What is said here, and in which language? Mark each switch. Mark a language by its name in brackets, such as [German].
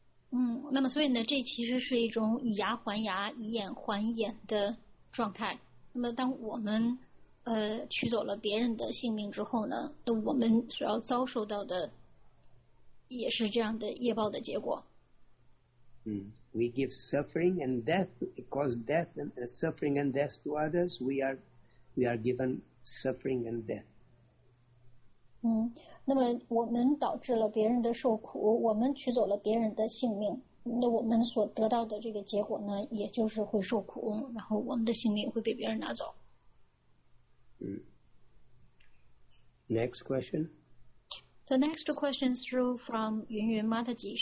[Chinese] 那么所以呢，这其实是一种以牙还牙、以眼还眼的状态。那么当我们取走了别人的性命之后呢，那我们所要遭受到的也是这样的业报的结果。 [English] We give suffering and death, cause death and suffering and death to others. We are given suffering and death. [Chinese] 那么我们导致了别人的受苦，我们取走了别人的性命，那我们所得到的这个结果呢，也就是会受苦，然后我们的性命会被别人拿走。 [English] Next question. The next question is from Yun Yun Mataji.